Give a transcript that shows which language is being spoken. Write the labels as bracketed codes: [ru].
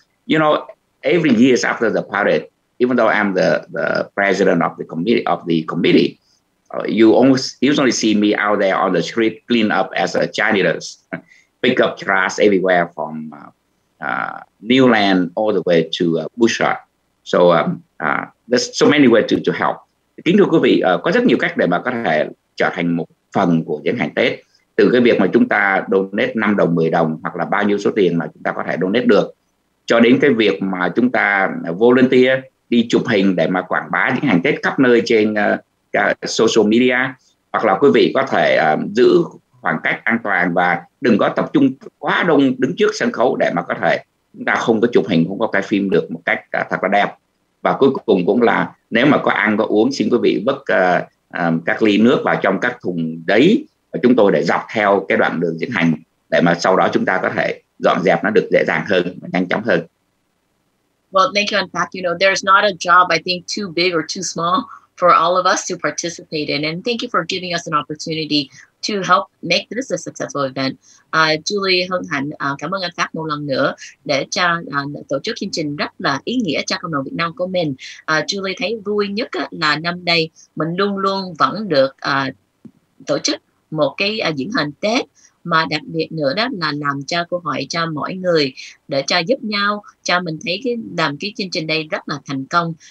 [en] You know, every year after the parade, even though I'm the president of the committee, you usually see me out there on the street clean up as a janitor, pick up trash everywhere from Newland all the way to Bouchard. So there's so many ways to help. [vi] Kính thưa quý vị, có rất nhiều cách để mà có thể trở thành một phần của diễn hành Tết, từ cái việc mà chúng ta donate 5 đồng, 10 đồng hoặc là bao nhiêu số tiền mà chúng ta có thể donate được, cho đến cái việc mà chúng ta volunteer đi chụp hình để mà quảng bá diễn hành Tết khắp nơi trên social media, hoặc là quý vị có thể giữ khoảng cách an toàn và đừng có tập trung quá đông đứng trước sân khấu để mà có thể chúng ta không có chụp hình, không có quay phim được một cách thật là đẹp. Và cuối cùng cũng là nếu mà có ăn có uống, xin quý vị vứt các ly nước vào trong các thùng đấy và chúng tôi để dọc theo cái đoạn đường diễn hành, để mà sau đó chúng ta có thể dọn dẹp nó được dễ dàng hơn và nhanh chóng hơn. [en] Well, thank you. In fact, you know, there's not a job I think too big or too small for all of us to participate in, and thank you for giving us an opportunity to help make this a successful event. [vi] Julie hân hạnh cảm ơn anh Pháp một lần nữa để cho tổ chức chương trình rất là ý nghĩa cho cộng đồng Việt Nam của mình. Julie thấy vui nhất là năm nay mình luôn luôn vẫn được tổ chức một cái diễn hành Tết, mà đặc biệt nữa đó là làm cho cơ hội cho mọi người để cho giúp nhau, cho mình thấy cái làm cái chương trình đây rất là thành công.